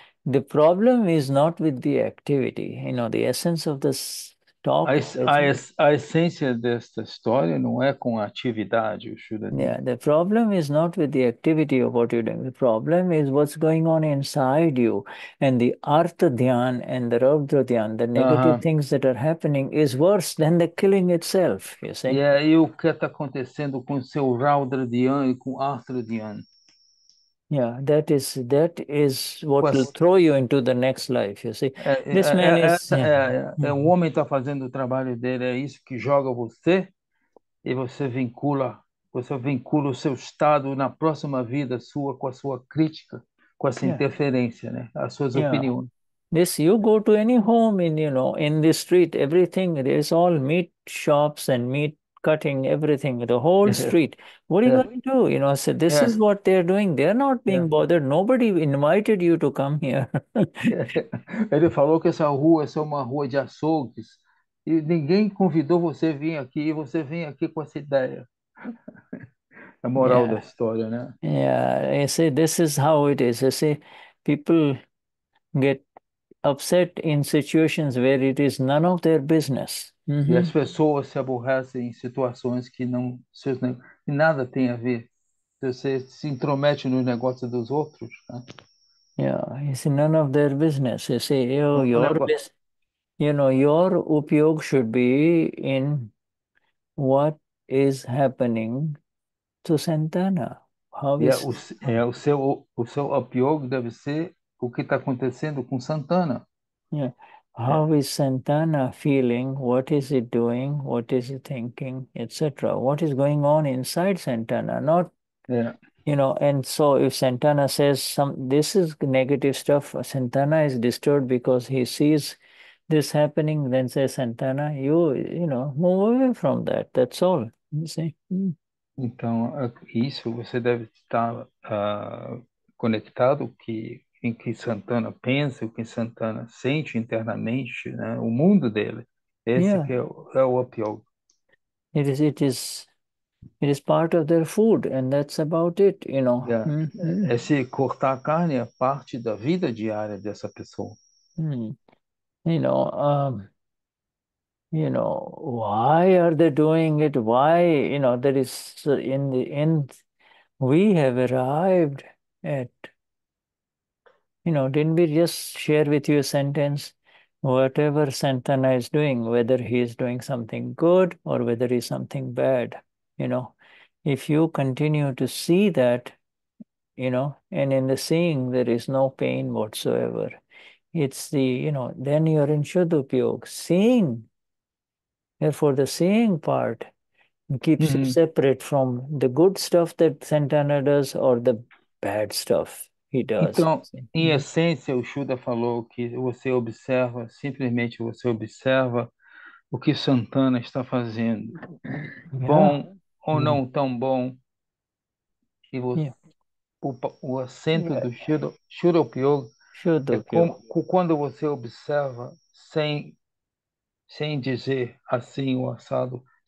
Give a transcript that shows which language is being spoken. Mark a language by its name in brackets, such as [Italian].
[English] The problem is not with the activity, the essence of this A talk is, I think. [Portuguese] essência desta história não é com a atividade, o Shudadin. [English] Yeah, the problem is not with the activity of what you're doing. The problem is what's going on inside you. And the artha dhyan and the rudra dhyan, the negative things that are happening, is worse than the killing itself, you see? [Portuguese] E o que está acontecendo com o seu Raudra Dhyan e com o Artha Dhyan? [English] Yeah, that is what will throw you into the next life, you see. This man is, [Portuguese] O homem está fazendo o trabalho dele, é isso que joga você, e você vincula o seu estado na próxima vida sua com a sua crítica, com essa interferência, né? As suas opiniões. [English] This, you go to any home in the street, everything, there's all meat shops and meat cutting, everything, the whole street. What are you going to do? So this is what they're doing. They're not being bothered. Nobody invited you to come here. [Portuguese] Ele falou que essa rua é só uma rua de açougues e ninguém convidou você vir aqui, e você vem aqui com essa ideia. A moral da história, né? [English] You see, this is how it is. You see, people get upset in situations where it is none of their business. [Portuguese] E as pessoas se aborrecem em situações que não seus nada tem a ver. Você se intromete nos negócios dos outros, [English] You see, none of their business. You see, [Portuguese] né? Não leva. [English] your upyog should be in what is happening to Santana. How is [Portuguese] O seu apiogo deve ser o que está acontecendo com Santana. [English] How is Santana feeling? What is he doing? What is he thinking? Etc. What is going on inside Santana? Not And so if Santana says this is negative stuff, Santana is disturbed because he sees this happening, then say, Santana, move away from that. That's all. You see? [Portuguese] Então, isso você deve estar conectado em que Santana pensa, o que Santana sente internamente, né? O mundo dele. Esse que é o apio. [English] It is It is part of their food, and that's about it, you know. [Portuguese] É, esse cortar a carne é parte da vida diária dessa pessoa. [English] You know, why are they doing it? Why, you know, there is in the end, we have arrived at, you know, didn't we just share with you a sentence? Whatever Santana is doing, whether he is doing something good or whether he's something bad, you know, if you continue to see that, you know, and in the seeing, there is no pain whatsoever. It's the, you know, then you're in Shuddhupyog, seeing. Therefore, the seeing part keeps you separate from the good stuff that Santana does or the bad stuff he does. [Portuguese] Então, em essência, o Shuda falou que você observa, simplesmente você observa o que Santana está fazendo, bom ou não tão bom, e o assento do Shuddhapyoga é quando você observa sem dizer assim o assado.